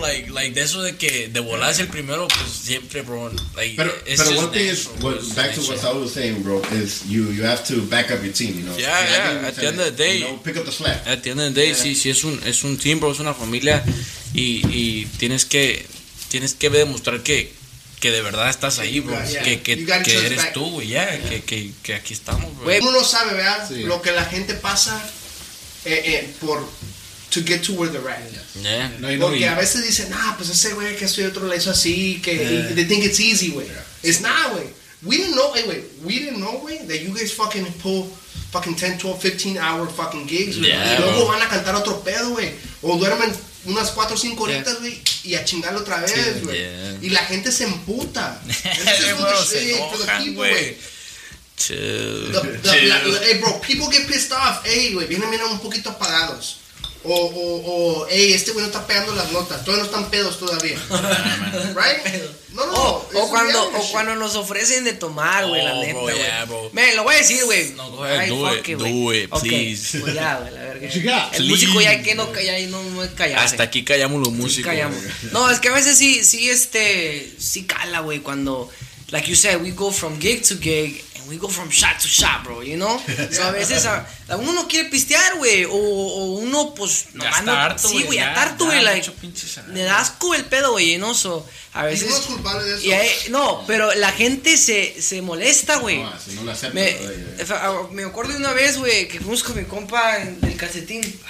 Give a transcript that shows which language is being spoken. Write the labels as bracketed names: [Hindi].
[Spanish] Like, de eso de que de volar es el primero, pues siempre, bro. [English] Like, pero one thing is, back to what Saul was saying, bro, is you have to back up your team, you know? Yeah, yeah. At the end of the day, you know, pick up the slack. At the end of the day, [Spanish] sí, es un team, bro, es una familia. Y tienes que demostrar que de verdad estás ahí, bro. Yeah, que eres tú, güey. Yeah, yeah. Que aquí estamos, bro. Uno no sabe, ¿verdad? Sí. Lo que la gente pasa por [English] to get to where they're at. Yeah. Yeah. [Spanish] No, porque a veces dicen, ah, pues ese güey que soy otro le hizo así, que [English] they think it's easy, [Spanish] güey. Yeah. [English] It's not, [Spanish] güey. [English] We didn't know, güey, that you guys fucking pull fucking 10, 12, 15 hour fucking gigs, güey. [Spanish] Yeah, y luego van a cantar otro pedo, güey. O duermen unas 4 o 5 horitas, güey, y a chingarlo otra vez, güey. [English] Sí, yeah. [Spanish] Y la gente se emputa. [English] Hey, bro, people get pissed off. [Spanish] Hey, güey, vienen un poquito apagados. O, hey, este güey no está pegando las notas. Todos no están pedos todavía. Right? O cuando nos ofrecen de tomar, güey, la neta, güey. Yeah, lo voy a decir, güey. [English] No, go ahead, do it, please. [Spanish] Okay. Pues ya, güey, la verga. El músico ya que no calla y no es callado. Hasta aquí callamos los músicos. Sí callamos. No, es que a veces sí cala, güey, cuando, [English] like you said, we go from gig to gig. We go from shot to shot, bro, you know? [Spanish] So a veces uno no quiere pistear, güey. O uno, pues, no manda. Sí, güey, a tarto, güey. Like, me da asco el pedo, güey, you know? So a veces. ¿Es culpable de eso? Y ahí, no, pero la gente se molesta, güey. No, si no lo acepta. Me acuerdo de una vez, güey, que fuimos con mi compa en el calcetín.